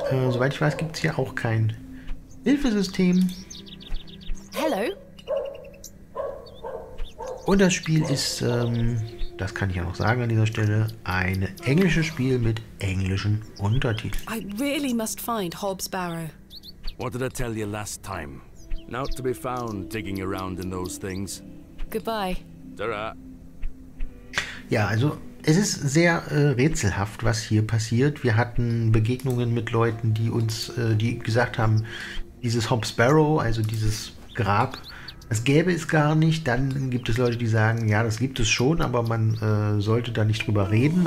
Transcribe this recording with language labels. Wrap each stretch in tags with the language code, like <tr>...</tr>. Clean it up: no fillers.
<de>Soweit ich weiß, gibt es hier auch kein Hilfesystem.</de> <en>Hello.</en> <de>Und das Spiel ist, das kann ich ja noch sagen an dieser Stelle, ein englisches Spiel mit englischen Untertiteln.</de> <en>I really must find Hobbs Barrow. What did I tell you last time? Not to be found digging around in those things. Goodbye. Ta-ra.</en> <de>Ja, also es ist sehr rätselhaft, was hier passiert. Wir hatten Begegnungen mit Leuten, die uns die gesagt haben, dieses Hobbs Barrow, also dieses Grab, das gäbe es gar nicht. Dann gibt es Leute, die sagen, ja, das gibt es schon, aber man sollte da nicht drüber reden.</de>